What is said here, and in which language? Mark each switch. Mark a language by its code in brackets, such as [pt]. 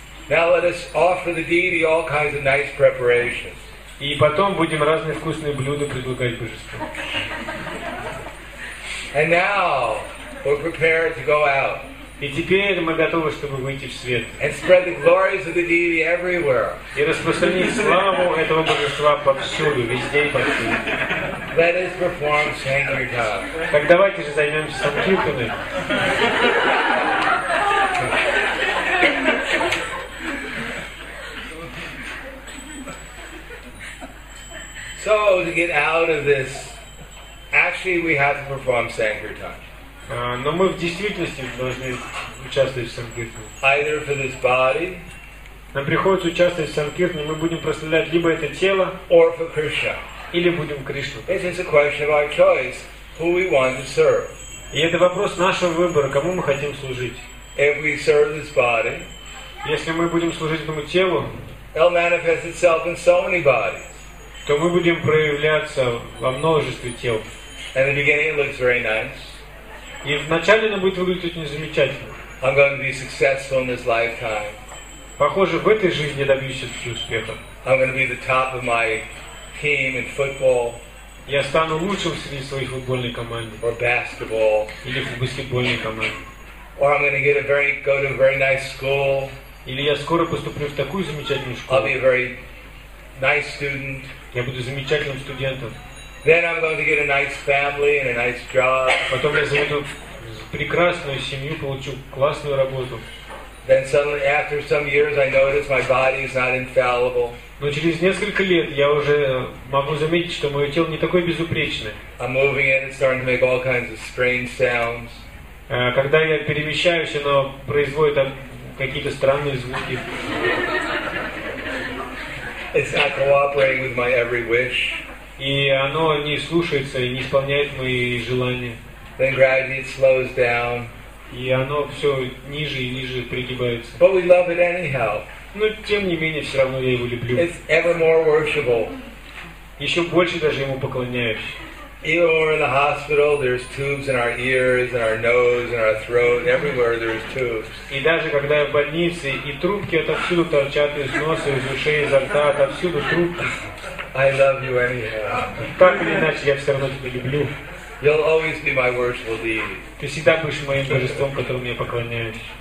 [en] Now let us offer the deity all kinds of nice preparations. [ru] И потом будем разные вкусные блюда предлагать божеству. [en] And now we're prepared to go out. [ru] И теперь мы готовы, чтобы выйти в свет. [en] And spread the glories of the deity everywhere. [ru] И распространить славу этого божества повсюду, везде и повсюду. [en] Let us perform sankirtan. [ru] Так давайте же займемся санкиртаной. [en] So to get out of this, actually we have to perform sankirtan. [ru] Но мы в действительности должны участвовать в санкиртане. [en] Either for this body. [ru] Нам приходится участвовать в санкиртане. Мы будем прославлять либо это тело. [en] Or for Krishna. [ru] Или будем Кришну. [en] This is a question of our choice, who we want to serve. [ru] И это вопрос нашего выбора, кому мы хотим служить. [en] If we serve this body. [ru] Если мы будем служить этому телу. [en] It'll manifest itself in so many bodies. [ru] То мы будем проявляться во множестве тел. [en] And in the beginning it looks very nice. [ru] И вначале оно будет выглядеть очень замечательно. [en] I'm going to be successful in this lifetime. [ru] Похоже, в этой жизни я добьюсь успеха. [en] I'm going to be the top of my team in football. [ru] Я стану лучшим среди своей футбольной команды. [en] Or basketball. [ru] Или в баскетбольной команде. [en] Or I'm going to get go to a very nice school. [ru] Или я скоро поступлю в такую замечательную школу. [en] I'll be a very nice student. [ru] Я буду замечательным студентом. [en] Then I'm going to get a nice family and a nice job. [ru] Потом я заведу прекрасную семью, получу классную работу. [en] Then suddenly, after some years, I notice my body is not infallible. [ru] Но через несколько лет я уже могу заметить, что мое тело не такое безупречное. [en] I'm moving it, it's starting to make all kinds of strange sounds. [ru] Когда я перемещаюсь, оно производит какие-то странные звуки. [en] It's not cooperating with my every wish. [ru] И оно не слушается и не исполняет мои желания. [en] Then gradually it slows down. [ru] И оно все ниже и ниже пригибается. [en] But we love it anyhow. [ru] Но тем не менее все равно я его люблю. [en] It's ever more worshipable. [ru] Еще больше даже ему поклоняюсь. [en] Even when we're in the hospital, there's tubes in our ears, in our nose, in our throat. Everywhere there's tubes. [ru] И даже когда я в больнице, и трубки отовсюду торчат из носа, из ушей, изо рта, отовсюду трубки. [en] I love you anyhow. [ru] Так или иначе, я все равно тебя люблю. [en] You'll always be my worshipful deity. [ru] Ты всегда будешь моим божеством, которому я поклоняюсь.